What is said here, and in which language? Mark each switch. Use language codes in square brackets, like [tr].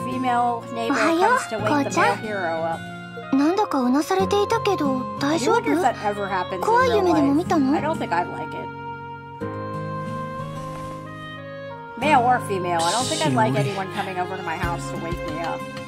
[en] Female neighbor comes to wake the male hero up. [ja] なんだかうなされていたけど、大丈夫? [en] I do wonder if that ever happens in real life. I don't think I'd like it. Male or female, I don't think I'd like anyone coming over to my house to wake me up.